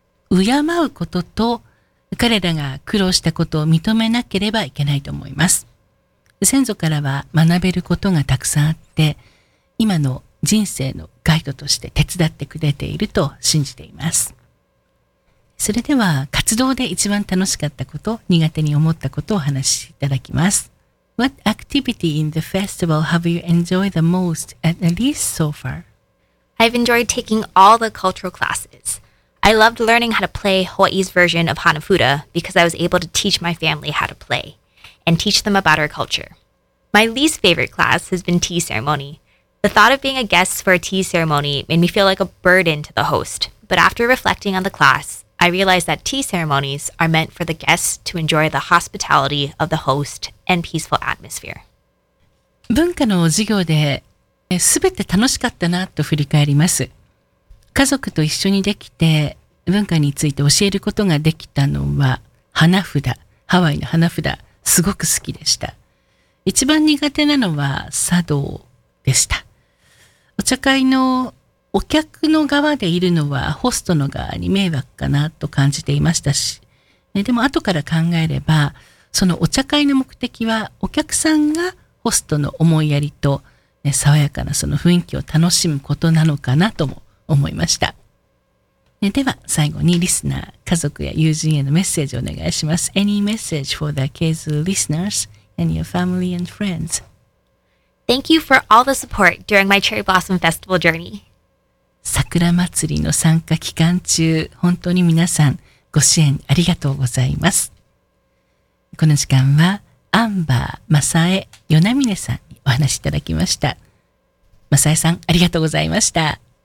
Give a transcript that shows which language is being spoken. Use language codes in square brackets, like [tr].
[ja] 敬うことと彼らが苦労したことを認めなければいけないと思います。先祖からは学べることがたくさんあって、今の人生のガイドとして手伝ってくれていると信じています。それでは活動で一番楽しかったこと、苦手に思ったことをお話しいただきます。 [en] What activity in the festival have you enjoyed the most, at least so far? I've enjoyed taking all the cultural classes. I loved learning how to play Hawaii's version of Hanafuda because I was able to teach my family how to play and teach them about our culture. My least favorite class has been tea ceremony. The thought of being a guest for a tea ceremony made me feel like a burden to the host. But after reflecting on the class,I realized that tea ceremonies are meant for the guests to enjoy the hospitality of the host and peaceful atmosphere. [ja] 文化の授業で、全て楽しかったなと振り返ります。家族と一緒にできて、文化について教えることができたのは、花札、ハワイの花札、すごく好きでした。一番苦手なのは茶道でした。お茶会のお客の側でいるのはホストの側に迷惑かなと感じていましたし、でも後から考えれば、そのお茶会の目的はお客さんがホストの思いやりと、爽やかなその雰囲気を楽しむことなのかなとも思いました。では最後にリスナー、家族や友人へのメッセージをお願いします。 [en] Any message for the Kezu listeners and your family and friends? Thank you for all the support during my Cherry Blossom Festival journey. [ja] 桜祭りの参加期間中、本当に皆さんご支援ありがとうございます。この時間はアンバー・マサエ・ヨナミネさんにお話しいただきました。マサエさん、ありがとうございました。